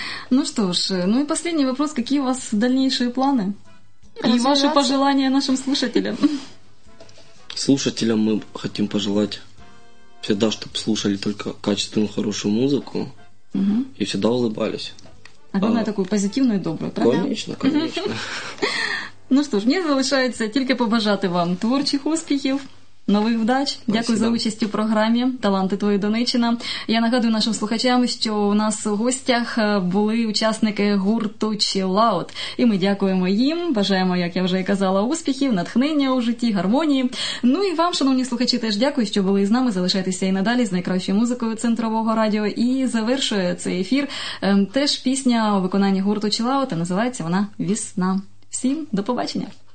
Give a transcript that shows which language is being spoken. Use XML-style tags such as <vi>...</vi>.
<ru>Ну что ж, ну и последний вопрос. Какие у вас дальнейшие планы? И ваши пожелания нашим слушателям? Слушателям мы хотим пожелать всегда, чтобы слушали только качественную, хорошую музыку. Угу. И всегда улыбались. А главное, такую позитивную и добрую, правда? Конечно, конечно. Ну что ж, мне</ru> <uk>залишається тільки побажати вам творчих успіхів, нових вдач.</uk> <ru>Спасибо.</ru> <uk>Дякую за участь у програмі «Таланти твої, Донеччина». Я нагадую нашим слухачам, що у нас у гостях були учасники гурту «Chill Out». І ми дякуємо їм, бажаємо, як я вже і казала, успіхів, натхнення у житті, гармонії. Ну і вам, шановні слухачі, теж дякую, що були з нами. Залишайтеся і надалі з найкращою музикою Центрового радіо. І завершує цей ефір теж пісня у виконанні гурту «Chill Out», називається вона «Весна». Всім до побачення!</uk>